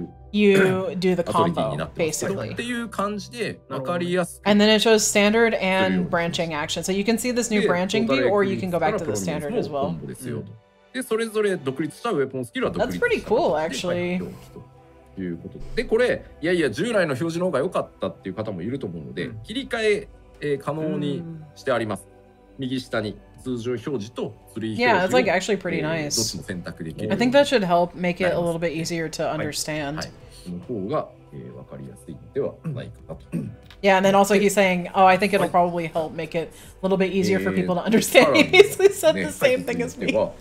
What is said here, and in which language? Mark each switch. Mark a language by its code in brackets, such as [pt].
[en] If you do the combo, basically. And then it shows standard and branching action. So you can see this new branching view, or you can go back to the standard as well. That's pretty cool, actually. [ja] ということで、これ、いやいや、従来の表示の方が良かったっていう方もいると思うので、切り替え可能にしてあります。右下に通常表示とツリー表示。 [en] Yeah, it's like actually pretty nice. [ja] どっちも選択できる。 [en] I think that should help make it a little bit easier to understand. [ja] その方が分かりやすいではないかなと。 [en] Yeah, and then also he's saying, oh, I think it'll probably help make it a little bit easier for people to understand. He basically said the same thing as me.